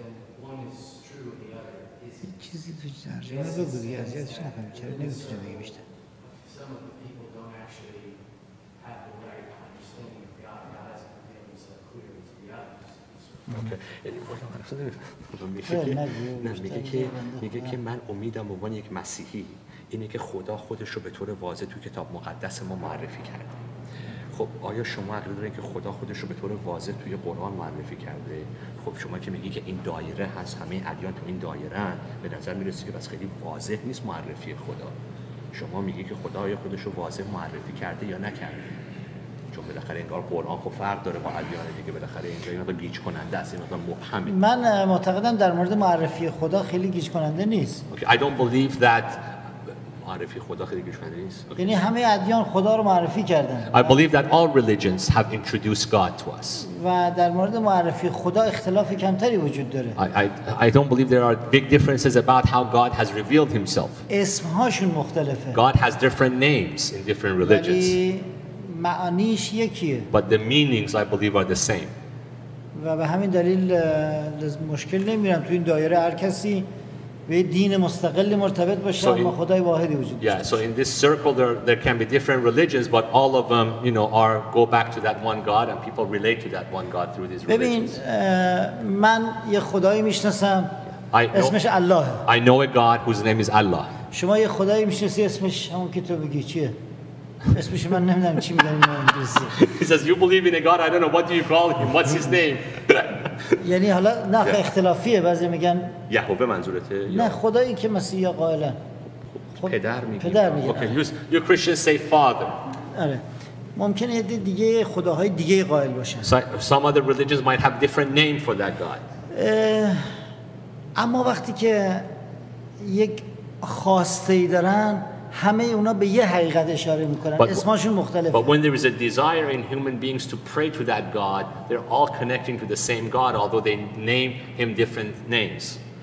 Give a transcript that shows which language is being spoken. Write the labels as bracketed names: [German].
[English] then one is true and the other is just some of the people don't actually have the right understanding of God. [Persian] God اینه که خدا خودش رو به طور واضح توی کتاب مقدس ما معرفی کرده. خب آیا شما عقیده دارید که خدا خودش رو به طور واضح توی قرآن معرفی کرده؟ خب شما که میگی که این دایره هست، همه ادیان تو این دایره هست، به نظر میرسی که بس خیلی واضح نیست معرفی خدا. شما میگی که خدا آیا خودش رو واضح معرفی کرده یا نکرده؟ چون بالاخره انگار قرآن خب فرق داره با ادیان دیگه، بالاخره اینجا اینا تو گیج کننده است، اینا تو مبهمه. من معتقدم در مورد معرفی خدا خیلی گیج کننده نیست. [English] Okay, I don't believe that [Persian] معرفی خدا خیلی گشنده نیست. یعنی همه ادیان خدا رو معرفی کردن. [English] I believe that all religions have introduced God to us. [Persian] و در مورد معرفی خدا اختلاف کمتری وجود داره. [English] I don't believe there are big differences about how God has revealed himself. [Persian] اسمهاشون مختلفه. [English] God has different names in different religions. [Persian] ولی معانیش یکیه. [English] But the meanings I believe are the same. [Persian] و به همین دلیل مشکل نمیرم تو این دایره هر کسی به دین مستقلی مرتبط باشه اما خدای واحدی وجود داشته. [English] Yeah, so in this circle there can be different religions but all of them, you know, are go back to that one God and people relate to that one God through these religions. [Persian] ببین من یه خدایی میشناسم اسمش الله. [English] I know a God whose name is Allah. [Persian] شما یه خدایی میشناسی اسمش همون که تو بگی چیه؟ اسمش من نمیدونم چی میگن اینا انگلیسی. [English] He says you believe in a God, I don't know, what do you call him, what's his name? [Persian] یعنی حالا نه اختلافیه، بعضی میگن یهوه منظورته، نه خدایی که مسیح یا قائلا پدر میگه، پدر میگه. [English] Okay, you Christians say father. [Persian] آره ممکنه یه دیگه خداهای دیگه قائل باشن. [English] Some other religions might have different name for that God. [Persian] اما وقتی که یک خواسته ای دارن همه اونا به یه حقیقت اشاره میکنن، اسمشون مختلفه. [English] But when there is a desire in human beings to pray to that God, they're all connecting to the same God, although they name him different names.